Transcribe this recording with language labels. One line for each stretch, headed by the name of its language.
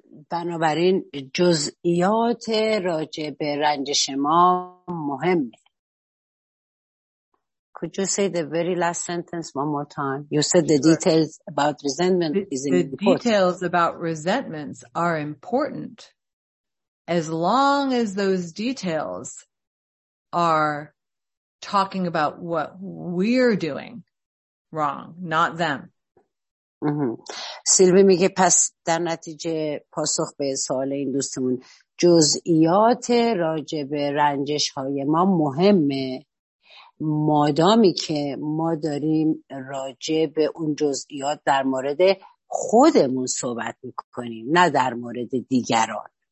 Persian: بنابراین جزئیات راجع به رنجش ما مهمه.
English: Could you say the very last sentence one more time? You said the details about resentment is important. The details about resentments are important as long as those details are talking about what we're doing wrong, not them.
Persian: سیلوی میگه پس در نتیجه پاسخ به سوال این دوستمون جزئیات راجع به رنجش های ما مهمه، مادامی که ما داریم راجع به اون جزئیات در مورد خودمون صحبت میکنیم نه در مورد دیگران.